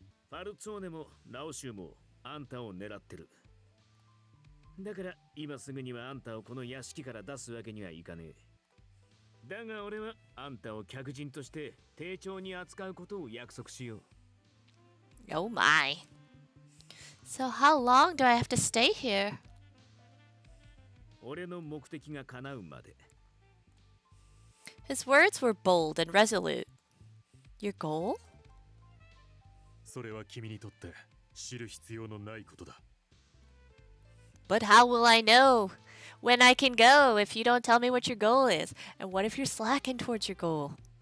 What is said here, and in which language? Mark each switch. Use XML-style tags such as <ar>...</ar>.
<ja>ファルツォーネもラオ州もあんたを狙ってる。だから今すぐにはあんたをこの屋敷から出すわけにはいかねえ。だが俺はあんたを客人として丁重に扱うことを約束しよう。</ja> <en>Oh my. So how long do I have to stay here?</en> <ja>俺の目的が叶うまで。</ja> <en>His words were bold and resolute. Your goal?</en> <ja>それは君にとって知る必要のないことだ。</ja> <en>But how will I know? When I can go, if you don't tell me what your goal is, and what if you're slacking towards your goal?</en>